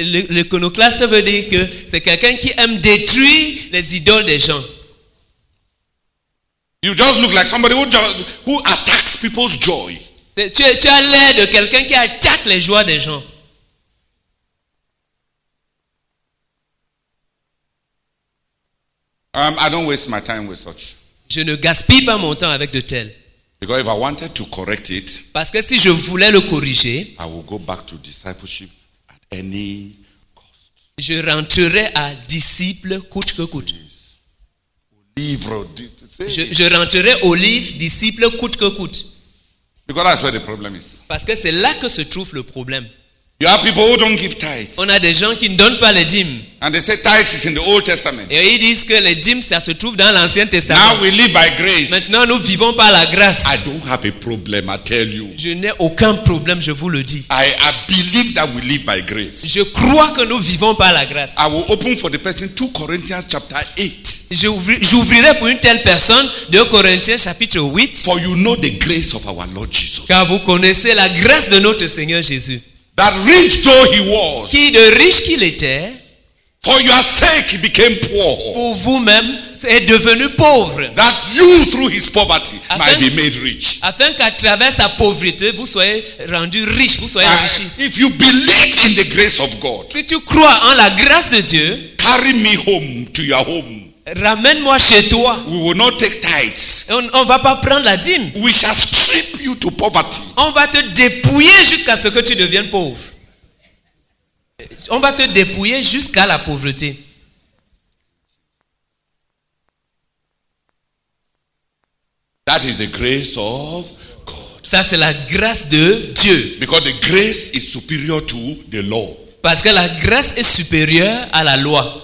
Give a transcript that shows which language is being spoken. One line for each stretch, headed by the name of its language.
French: L'iconoclaste veut dire que c'est quelqu'un qui aime détruire les idoles des gens.
English: You just look like somebody who attacks people's joy.
French: Tu as l'air de quelqu'un qui attaque les joies des gens.
English: I don't waste my time with such.
French: Je ne gaspille pas mon temps avec de tels.
English: Because if I wanted to correct it,
French: parce que si je voulais le corriger,
English: I will go back to discipleship at any cost.
French: Je rentrerai à disciple coûte que coûte. Je rentrerai au livre disciple coûte que coûte.
English: Because that's where the problem is.
French: Parce que c'est là que se trouve le problème.
English: You have people who don't give tithes.
French: On a des gens qui ne donnent pas les dîmes.
English: And they say tithes is in the Old Testament.
French: Et ils disent que les dîmes, ça se trouve dans l'Ancien Testament.
English: Now we live by grace.
French: Maintenant, nous vivons par la grâce.
English: I don't have a problem, I tell you.
French: Je n'ai aucun problème, je vous le dis.
English: I believe that we live by grace.
French: Je crois que nous vivons par la grâce.
English: I will open for the person 2 Corinthians chapter 8.
French: J'ouvrirai pour une telle personne 2 Corinthiens chapitre 8.
English: For you know the grace of our Lord Jesus.
French: Car vous connaissez la grâce de notre Seigneur Jésus.
English: That rich though he was,
French: qui de riche qu'il était,
English: for your sake he became poor.
French: Pour vous-même, est devenu pauvre.
English: That you through his poverty might be made rich.
French: Afin qu'à travers sa pauvreté, vous soyez rendu riche, vous soyez enrichi.
English: If you believe in the grace of God,
French: si tu crois en la grâce de Dieu,
English: carry me home to your home.
French: Ramène-moi chez toi.
English: We will not take tithes.
French: On va pas prendre la dîme.
English: We shall strip you to poverty.
French: On va te dépouiller jusqu'à ce que tu deviennes pauvre. On va te dépouiller jusqu'à la pauvreté.
English: That is the grace of God.
French: Ça c'est la grâce de Dieu.
English: Because the grace is superior to the law.
French: Parce que la grâce est supérieure à la loi.